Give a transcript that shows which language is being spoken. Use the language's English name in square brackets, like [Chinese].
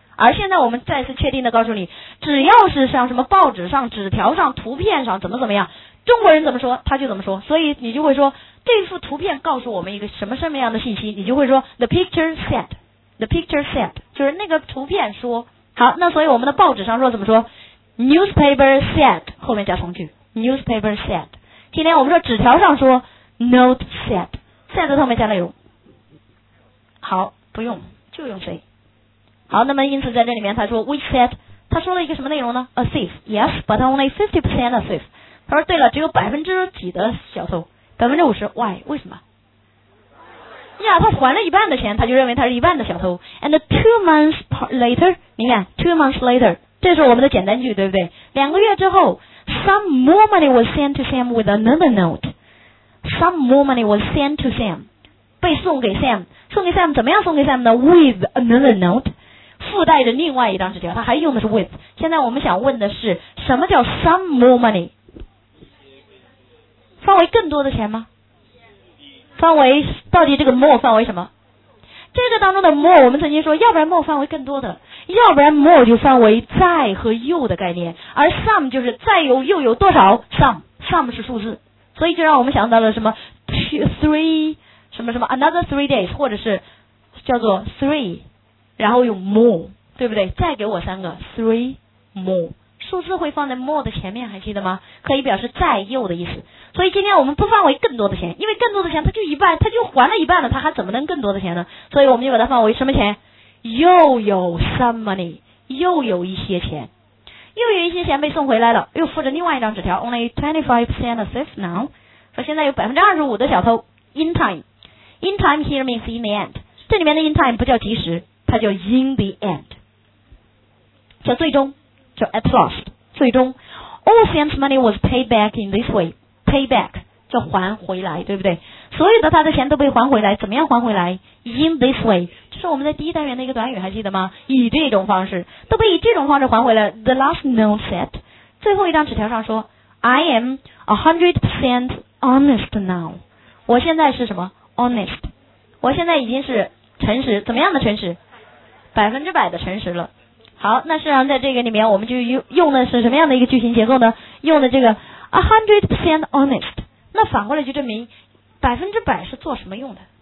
[Chinese] 而现在我们再次确定的告诉你，只要是像什么报纸上、纸条上、图片上怎么怎么样，中国人怎么说他就怎么说。所以你就会说这幅图片告诉我们一个什么什么样的信息，你就会说 the picture said， the picture said 就是那个图片说。好，那所以我们的报纸上说怎么说？ [English] newspaper said，后面加从句 newspaper said。 [Chinese] 今天我们说纸条上说 note said， said 后面加内容。好，不用，就用谁。好，那么因此在这里面他说 which said，他说了一个什么内容呢？ [English] a thief， yes but only 50% a thief。 [Chinese] 他说对了，只有百分之几的小偷，50%。 why？ 为什么呀？他还了一半的钱，他就认为他是一半的小偷。 and two months later，你看 two months later，这是我们的简单句，对不对？ [English] 两个月之后，some more money was sent to Sam with another note. Some more money was sent to Sam，被送给 Sam，送给 Sam 怎么样？ [Chinese] 送给 Sam 呢 ？ With another note，附带着另外一张纸条，他还用的是 with。现在我们想问的是，什么叫 some more money？范围更多的钱吗？范围到底这个 more 范围什么？这个当中的 more 我们曾经说，要不然 more 范围更多的，要不然 more 就范围再和又的概念，而 some 就是再有又有多少 some 是数字，所以就让我们想到了什么 three 什么什么 another 3 days，或者是叫做 three 然后用 more， 对不对？再给我三个 three more，数字会放在 more 的前面，还记得吗？可以表示再又的意思。所以今天我们不放为更多的钱，因为更多的钱它就一半，它就还了一半了，它还怎么能更多的钱呢？所以我们就把它放为什么钱？又有 some money，又有一些钱，又有一些钱被送回来了，又附着另外一张纸条， only 25% of theft now，说现在有 25% 的小偷。 [English] in time， in time here means in the end，这里面的 in time 不叫及时，它叫 in the end，叫最终，叫 at last，最终。 all Sam's money was paid back in this wayPayback 叫还回来，对不对？ [Chinese] 所有的他的钱都被还回来，怎么样还回来？ In this way，这是我们在第一单元的一个短语，还记得吗？以这种方式，都被以这种方式还回来。 [English] The last note said，最后一张纸条上说， I am 100% honest now，我现在是什么？ [Chinese] Honest， 我现在已经是诚实，怎么样的诚实？百分之百的诚实了。好，那实际上在这个里面我们就 用的是什么样的一个句型结构呢？用的这个 100% honest，那反过来就证明百分之百是做什么用的？